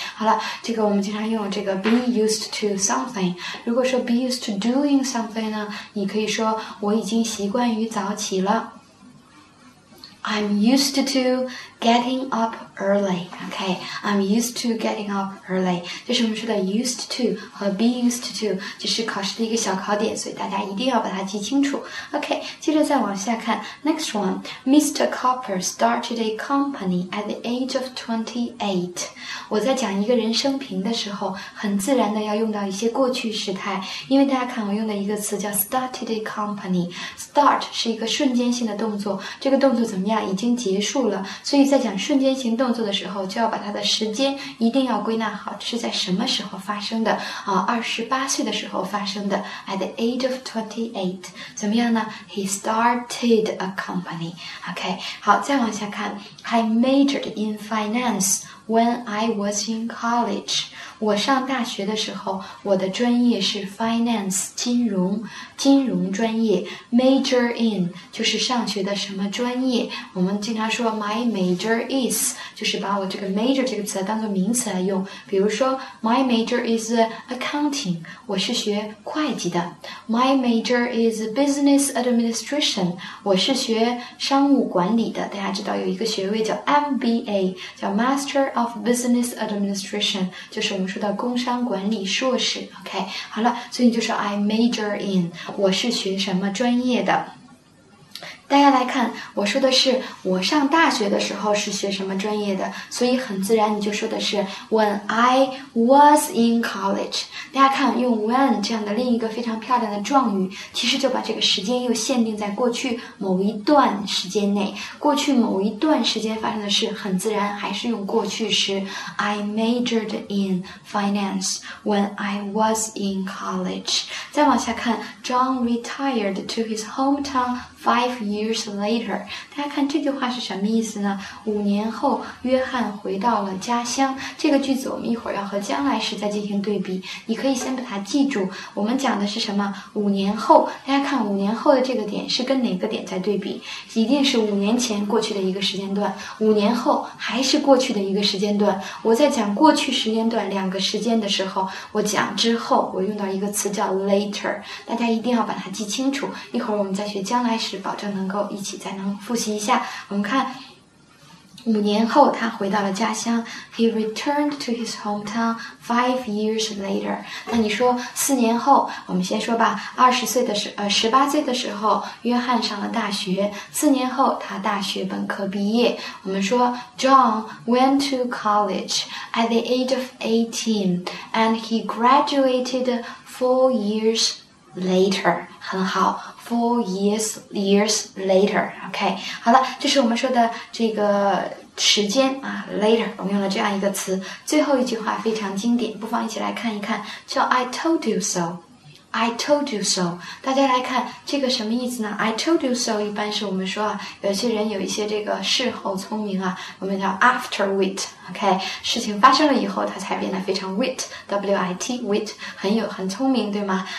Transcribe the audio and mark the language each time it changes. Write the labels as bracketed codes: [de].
[zh] 好了，这个我们经常用这个 be used to something. 如果说 [en] be used to doing something [zh] 呢，你可以说我已经习惯于早起了。 [en] I'm used to getting up early, okay. I'm used to getting up early. [zh] 这是我们说的 used to 和 be used to, 这是考试的一个小考点，所以大家一定要把它记清楚。 [en] Okay, [zh] 接着再往下看 [en] ,next one, Mr. Copper started a company at the age of 28. [zh] 我在讲一个人生平的时候，很自然的要用到一些过去时态，因为大家看我用的一个词叫 [en] started a company. [zh] Start 是一个瞬间性的动作，这个动作怎么样，已经结束了，所以在讲瞬间型动作的时候，就要把它的时间一定要归纳好，是在什么时候发生的啊？ 28岁的时候发生的 ， [en] at the age of 28， [zh] 怎么样呢 ？ [en] He started a company. OK， [zh] 好，再往下看 [en] ，I majored in finance when I was in college. [zh] 我上大学的时候，我的专业是 finance， 金融，金融专业。 Major in 就是上学的什么专业？我们经常说 [en] my major is， [zh] 就是把我这个 major 这个词当作名词来用。比如说 [en] my major is accounting， [zh] 我是学会计的。 [en] My major is business administration， [zh] 我是学商务管理的。大家知道有一个学位叫 MBA， 叫 Master of Business Administration， 就是我们说的工商管理硕士。 OK， 好了，所以你就说 [en] I major in， [zh] 我是学什么专业的。大家来看，我说的是我上大学的时候是学什么专业的，所以很自然你就说的是 [en] when I was in college。 [zh] 大家看，用 when 这样的另一个非常漂亮的状语，其实就把这个时间又限定在过去某一段时间内，过去某一段时间发生的事，很自然还是用过去时。 [en] I majored in finance when I was in college。 [zh] 再往下看， [en] John retired to his hometown5 years later, [zh] 大家看这句话是什么意思呢？五年后，约翰回到了家乡。这个句子我们一会儿要和将来时再进行对比，你可以先把它记住。我们讲的是什么？五年后，大家看五年后的这个点是跟哪个点在对比？一定是五年前过去的一个时间段，五年后还是过去的一个时间段。我在讲过去时间段两个时间的时候，我讲之后，我用到一个词叫 later， 大家一定要把它记清楚。一会儿我们再学将来时。保证能够一起再能复习一下。我们看五年后他回到了家乡， [en] He returned to his hometown 5 years later. [zh] 那你说四年后，我们先说吧，十八岁的时候约翰上了大学，四年后他大学本科毕业。我们说 [en] John went to college at the age of 18 and he graduated 4 years later. [zh] 很好， [en] 4 years later, OK. [zh] 好了，这是我们说的这个时间啊 ，later， 我们用了这样一个词。最后一句话非常经典，不妨一起来看一看，叫 [en] I told you so。 I told you so， [zh] 大家来看这个什么意思呢？ [en] I told you so [zh] 一般是我们说啊，有些人有一些这个事后聪明啊，我们叫 after wit， OK， 事情发生了以后他才变得非常 wit， W-I-T， wit， 很聪明，对吗？